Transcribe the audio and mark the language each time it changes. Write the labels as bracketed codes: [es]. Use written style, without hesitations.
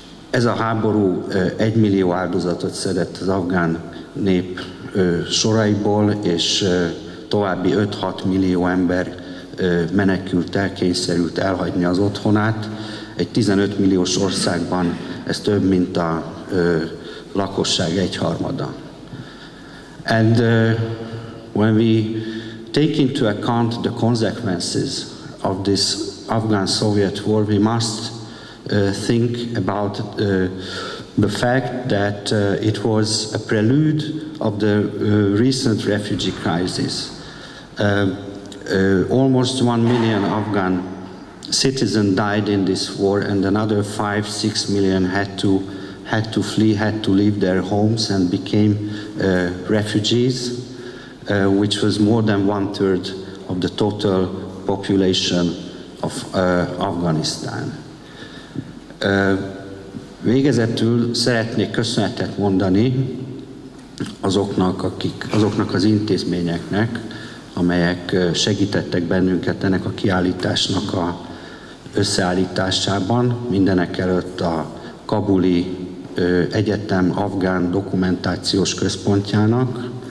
[hu] Ez a háború 1 millió áldozatot szedett az afgán nép soraiból, és további 5-6 millió ember menekült, elkényszerült elhagyni az otthonát. Egy 15 milliós országban ez több, mint a lakosság egyharmada. [en] And when we take into account the consequences of this Afghan-Soviet war, we must think about the fact that it was a prelude of the recent refugee crisis. Almost 1 million Afghan citizens died in this war, and another 5-6 million had to flee, had to leave their homes and became refugees, which was more than 1/3 of the total population of Afghanistan. [hu] Végezetül szeretnék köszönetet mondani azoknak az intézményeknek, amelyek segítettek bennünket ennek a kiállításnak a összeállításában, mindenek előtt a Kabuli Egyetem Afgán Dokumentációs Központjának,